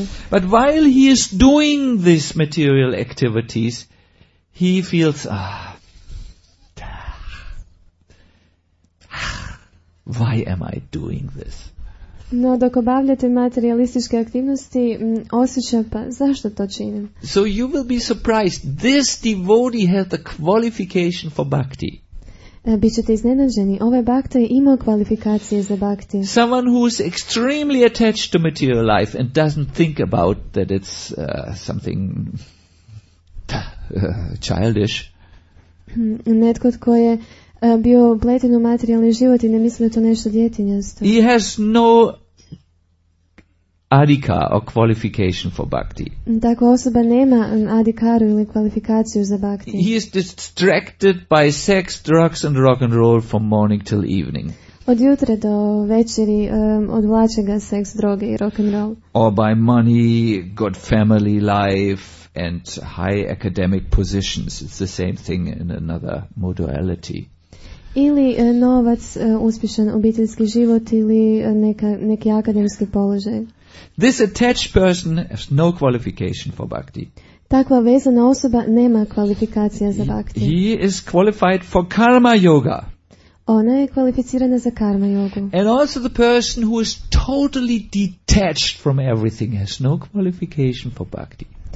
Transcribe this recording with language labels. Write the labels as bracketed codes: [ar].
[en] But while he is doing these material activities, he feels, why am I doing this? [hr] No, dok obavljate materialističke aktivnosti, osjeća, pa zašto to činim? [en] So you will be surprised. This devotee has the qualification for bhakti. [hr] bit ćete iznenađeni. Ovaj bhakta je imao kvalifikacije za bhakti. [en] Someone who is extremely attached to material life and doesn't think about that it's something childish. [hr] Netko tko je bio pleten u materijalni život i ne misli da to nešto djetinjasto. [en] He has no adhika or qualification for bhakti. [hr] Takva osoba nema adhikaru ili kvalifikaciju za bhakti. [en] He is distracted by sex, drugs and rock and roll from morning till evening. [hr] Od jutra do večeri odvlače ga seks, droge i rock and roll. [en] Or by money, got family life and high academic positions. It's the same thing in another modality. [hr] Ili novac, uspješan obiteljski život ili neki akademski položaj. [en] This attached person has no qualification for bhakti. [hr] Takva vezana osoba nema kvalifikacija za bhakti. [en] He is qualified for karma yoga. [hr] Ona je kvalificirana za karma jogu. [en] And also the person who is totally detached from everything has no qualification for bhakti.